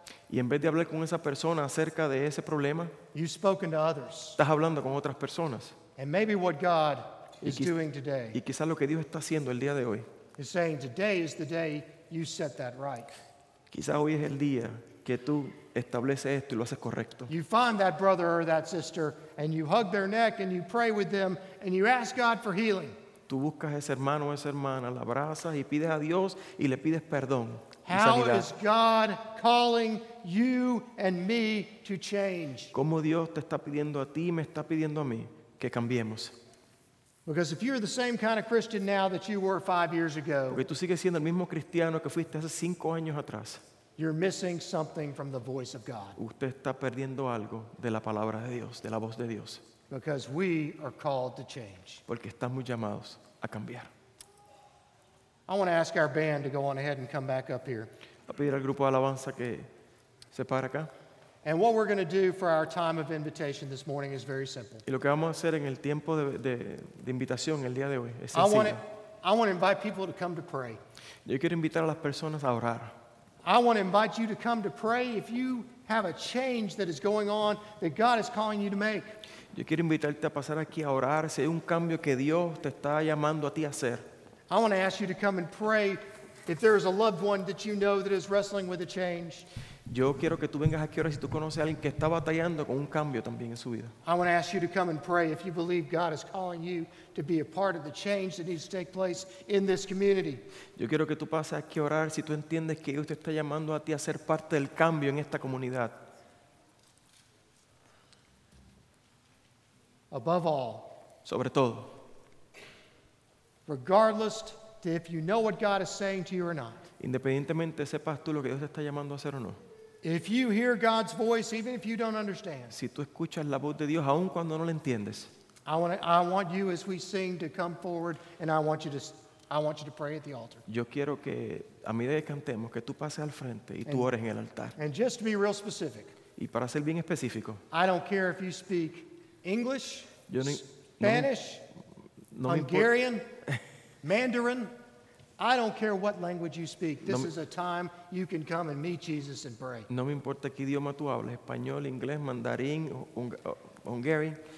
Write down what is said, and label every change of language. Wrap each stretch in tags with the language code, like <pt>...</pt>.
<es>y en vez de hablar con esa persona acerca de ese problema,</es> <en>you've spoken to others.</en> <es>Estás hablando con otras personas.</es> <en>And maybe what God is doing today,</en> <es>y quizás lo que Dios está haciendo el día de hoy,</es> <en>is saying today is the day you set that right.</en> <es>Quizás hoy es el día que tú establece esto y lo haces correcto.</es> <en>You find that brother or that sister and you hug their neck and you pray with them and you ask God for healing.</en> <es>Tú buscas a ese hermano o esa hermana, la abrazas y pides a Dios y le pides perdón.</es> <en>How is God calling you and me to change?</en> <es>¿Cómo Dios te está pidiendo a ti y me está pidiendo a mí que cambiemos?</es> <en>Because if you're the same kind of Christian now that you were 5 years ago,</en> <es>porque tú sigues siendo el mismo cristiano que fuiste hace 5 años atrás,</es> <en>you're missing something from the voice of God.</en> <es>Usted está perdiendo algo de la palabra de Dios, de la voz de Dios.</es> <en>Because we are called to change.</en> <es>Porque estamos llamados a cambiar.</es> <en>I want to ask our band to go on ahead and come back up here.</en> <es>A pedir al grupo de alabanza que se pare acá.</es> <en>And what we're going to do for our time of invitation this morning is very simple.</en> <es>Y lo que vamos a hacer en el tiempo de invitación el día de hoy es sencillo.</es> <en>I want to invite people to come to pray.</en> <es>Yo quiero invitar a las personas a orar.</es> <en>I want to invite you to come to pray if you have a change that is going on that God is calling you to make.</en> <es>Yo quiero invitarte a pasar aquí a orar si hay un cambio que Dios te está llamando a ti a hacer.</es> <en>I want to ask you to come and pray if there is a loved one that you know that is wrestling with a change.</en> <es>Yo quiero que tú vengas aquí ahora si tú conoces a alguien que está batallando con un cambio también en su vida.</es> <en>I want to ask you to come and pray if you believe God is calling you to be a part of the change that needs to take place in this community.</en> <es>Yo quiero que tú pases aquí a orar si tú entiendes que Dios te está llamando a ti a ser parte del cambio en esta comunidad.</es> <en>Above all,</en> <es>sobre todo,</es> <en>regardless to if you know what God is saying to you or not,</en> <es>independientemente sepas tú lo que Dios te está llamando a hacer o no.</es> <en>If you hear God's voice, even if you don't understand,</en> <es>si tú escuchas la voz de Dios aun cuando no la entiendes,</es> <en>I want you as we sing to come forward, and I want you to pray at the altar.</en> <es>Yo quiero que a medida que cantemos que tú pases al frente y tú ores en el altar.</es> <en>And just to be real specific.</en> <es>Y para ser bien específico.</es> <en>I don't care if you speak English, Spanish, Hungarian, Mandarin. I don't care what language you speak. This is a time you can come and meet Jesus and pray.</en> <es>No me importa qué idioma tú hables, español, inglés, mandarín, Hungarian.</es>